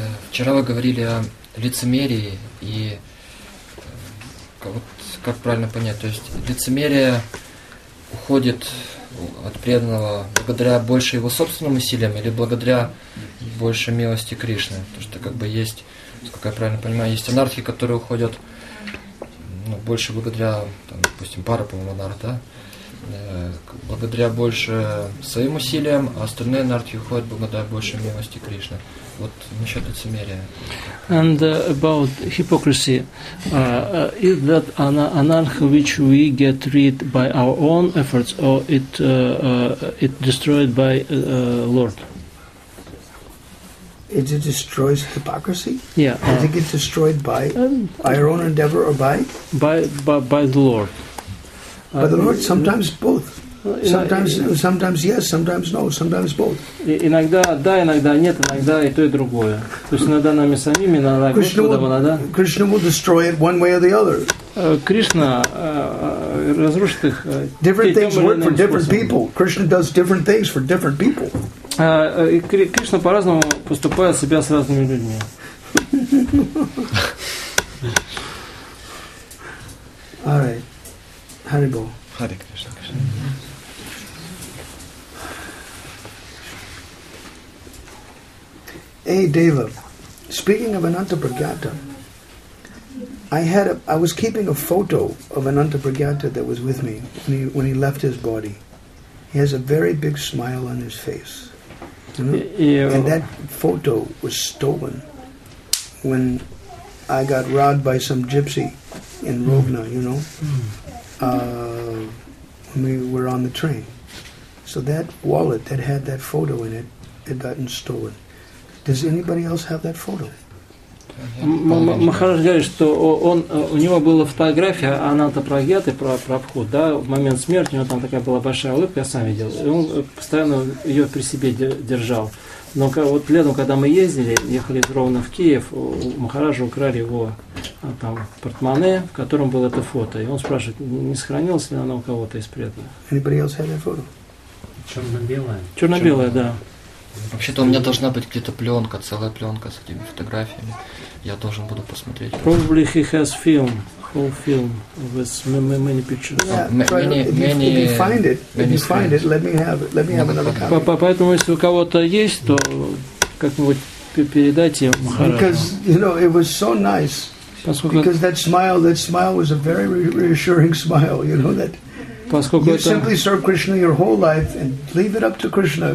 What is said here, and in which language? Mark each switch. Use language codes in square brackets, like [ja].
[ru] Вчера вы говорили о лицемерии и вот как правильно понять, то есть лицемерие уходит от преданного благодаря больше его собственным усилиям или благодаря больше милости Кришны, потому что как бы есть, насколько я правильно понимаю, есть анархи, которые уходят, ну, больше благодаря, там, допустим, парапаманарх, да? Благодаря больше своим усилиям, а остальные нартхи уходят благодаря больше милости Кришны. Вот насчет лицемерия. [en] And about hypocrisy, is that an anarch which we get rid by our own efforts, or it destroyed by Lord? It destroys hypocrisy. Yeah. Is it destroyed by our own endeavor or by the Lord? By the Lord, sometimes both. Sometimes yes, sometimes no, sometimes both. [ru] Иногда да, иногда нет, иногда и то, и другое. То есть иногда нами самими, иногда Господа, да? [en] Krishna will destroy it one way or the other. [ru] Krishna разрушит их. [en] Different things work for different people. Krishna does different things for different people. [ru] Krishna по-разному поступает себя с разными людьми. [en] All right. Haribo. Hare Krishna. Hey Deva, speaking of Ananta Pragyata, I was keeping a photo of Ananta Pragyata that was with me when he left his body. He has a very big smile on his face. And that photo was stolen when I got robbed by some gypsy in Rovna, you know? When we were on the train. So that wallet that had that photo in it had gotten stolen. Does anybody else have that photo? [ru] Махарадж говорит, что он, у него была фотография Ананта Прагьяты про вход, да, в момент смерти, у него там такая была большая улыбка, я сам видел, и он постоянно ее при себе держал. Но вот летом, когда мы ездили, ехали ровно в Киев, у Махараджа украли его там портмоне, в котором было это фото. И он спрашивает, не сохранилось ли оно у кого-то из преданных. [en] Anybody else have a photo? [ru] Черно-белое. Черно-белое, да. Вообще-то у меня должна быть где-то пленка, целая пленка с этими фотографиями. Я должен буду посмотреть. [en] Probably he has film, whole film with many pictures. Yeah, if you find it, let me have another copy. [ru] Поэтому, если у кого-то есть, то как-нибудь передайте им. [en] Because, you know, it was so nice. Because that smile was a very reassuring smile, you know, that... [ru] Поскольку [en] you simply serve Krishna your whole life and leave it up to Krishna.